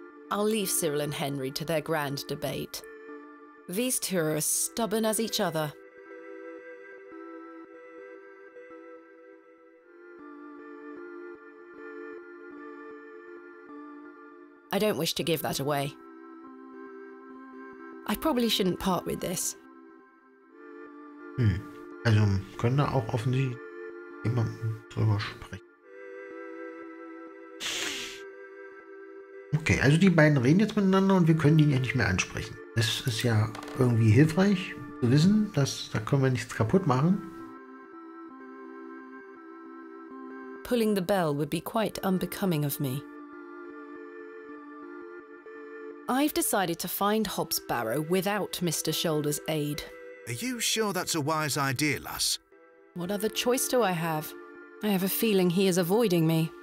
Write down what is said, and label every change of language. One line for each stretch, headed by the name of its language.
English: I'll leave Cyril and Henry to their grand debate. These two are as stubborn as each other. I don't wish to give that away. I probably shouldn't part with this.
German: Also können da auch offensichtlich jemanden drüber sprechen. Okay, also die beiden reden jetzt miteinander und wir können die ja nicht mehr ansprechen. Das ist ja irgendwie hilfreich, zu wissen, dass da können wir nichts kaputt machen.
English: Pulling the bell would be quite unbecoming of me. I've decided to find Hobbs Barrow without Mr. Shoulder's aid. Are you sure that's a wise idea, lass? What other choice do I have? I have a feeling he is avoiding me.